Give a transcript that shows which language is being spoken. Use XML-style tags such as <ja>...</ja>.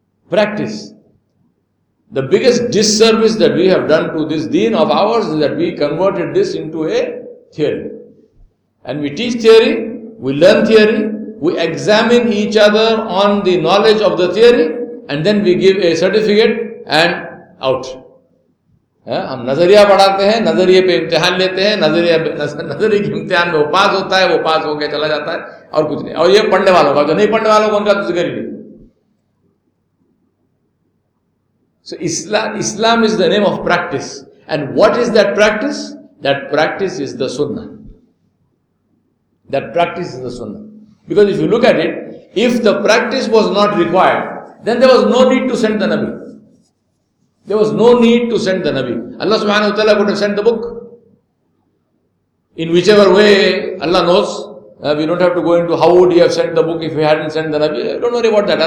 <en>Practice. The biggest disservice that we have done to this deen of ours is that we converted this into a theory. And we teach theory, we learn theory, we examine each other on the knowledge of the theory, and then we give a certificate and out.</en> <ur>ہم نظریہ پڑھاتے ہیں, نظریے پہ امتحان لیتے ہیں, نظریے کے امتحان میں وہ پاس ہوتا ہے, وہ پاس ہو کے چلا جاتا ہے, اور کچھ نہیں. اور یہ پڑھنے والوں کا, جو نہیں پڑھنے والوں کا ان کا تو ذکر ہی نہیں.</ur> <en>So Islam is the name of practice. And what is that practice? That practice is the سنہ. That practice is the sunnah. Because if you look at it, if the practice was not required, then there was no need to send the Nabi. There was no need to send the Nabi. Allah subhanahu wa ta'ala could have sent the book. In whichever way, Allah knows. We don't have to go into how would he have sent the book if he hadn't sent the Nabi. Don't worry about that.</en>